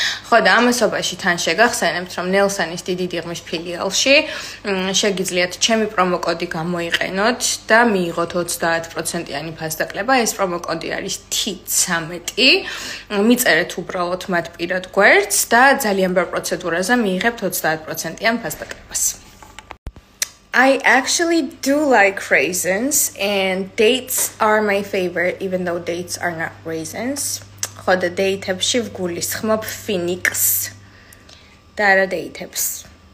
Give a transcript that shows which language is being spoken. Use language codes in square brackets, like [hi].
[ka] ხო და ამასობაში თან შეგახსენებთ, რომ ნელსანის დიდი დიღმის ფილიალში შეგიძლიათ ჩემი პრომოკოდი გამოიყენოთ და მიიღოთ 30%-იანი ფასდაკლება. ეს პრომოკოდი არის T13. მიწერეთ უბრალოდ მათ პირად გვერდს და ძალიან ბევრ პროცედურაზე მიიღებთ 30%-იან ფასდაკლებას. [en] I actually do like raisins and dates are my favorite even though dates are not raisins. [ka] ხო და დეითებში ვგულისხმობ ფინიქს და არა დეითებს.